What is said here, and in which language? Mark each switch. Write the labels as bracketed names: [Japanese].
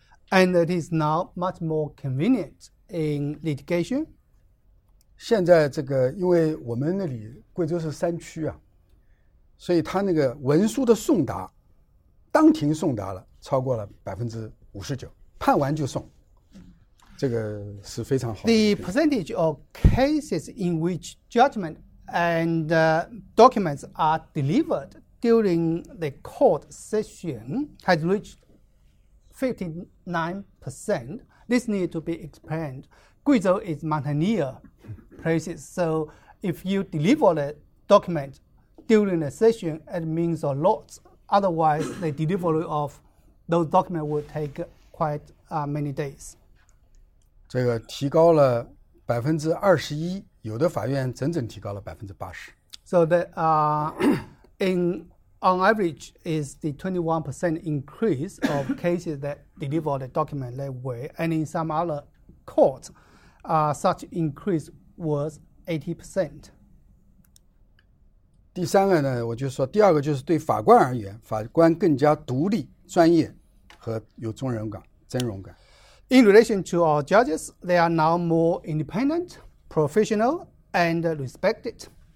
[English] And it is now much more convenient in litigation. [Chinese] 现在这个因为我们那里贵州是山区啊, 所以他那个文书的送达, 当庭送达了, 超过了 59%, 判完就送。 [English] The percentage of cases in which judgment and documents are delivered during the court session has reached 59%. This needs to be explained. Guizhou is mountaineer places, so if you deliver the document during the session, it means a lot. Otherwise, the delivery of those documents will take quite many days. [Chinese] 这个提高了 21%, 有的法院整整提高了 80%. [English] So that on average is the 21% increase of cases that deliver the document that way, and in some other courts, such increase was 80%. [Chinese] 第三个呢，我就说第二个就是对法官而言，法官更加独立、专业和有尊荣感、真荣感。 [English] In relation to our judges, they are now more independent, professional, and respected.